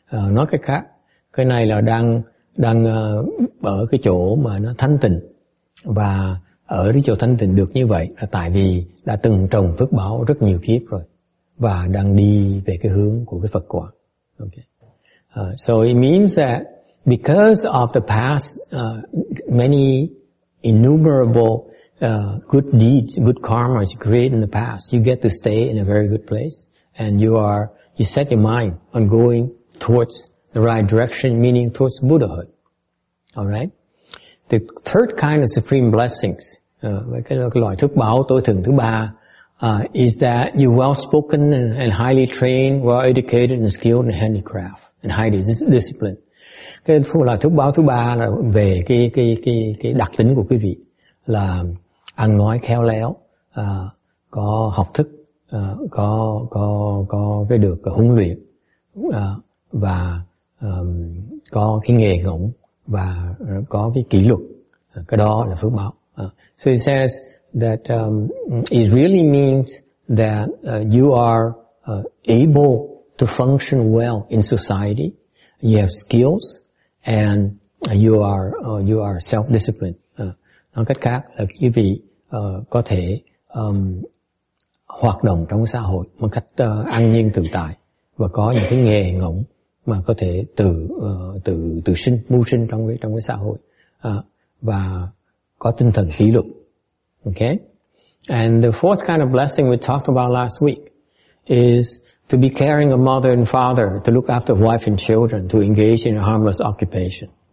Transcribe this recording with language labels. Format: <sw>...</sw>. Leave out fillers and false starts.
<vi>Nói cách khác, cái này là đang ở cái chỗ mà nó thanh tịnh, và ở cái chỗ thanh tịnh được như vậy là tại vì đã từng trồng phước báo rất nhiều kiếp rồi và đang đi về cái hướng của cái Phật quả.</vi> <en>Okay. So it means that because of the past many innumerable good deeds, good karma is created in the past, you get to stay in a very good place, and you set your mind on going towards the right direction, meaning towards Buddhahood. Alright? The third kind of supreme blessings,</en> <vi>cái loại thức báo tối thượng thứ ba,</vi> <en>is that you're well-spoken and highly trained, well-educated and skilled in handicraft and highly disciplined.</en> <vi>Cái loại thức báo thứ ba là về cái đặc tính của quý vị là ăn nói khéo léo, có học thức, có cái được huấn luyện, và có cái nghề ngỗng, và có cái kỷ luật, cái đó là phước báo.</vi> <en>So it says that it really means that you are able to function well in society, you have skills, and you are self-disciplined.</en> <vi>Nói cách khác là quý vị có thể hoạt động trong xã hội một cách an nhiên tự tại, và có những cái nghề ngỗng mà có thể tự sinh, mưu sinh trong cái xã hội, và có tinh thần kỷ luật.</vi> <en>Okay? And the fourth kind of blessing we talked about last week is to be caring a mother and father, to look after wife and children, to engage in a harmless occupation.</en>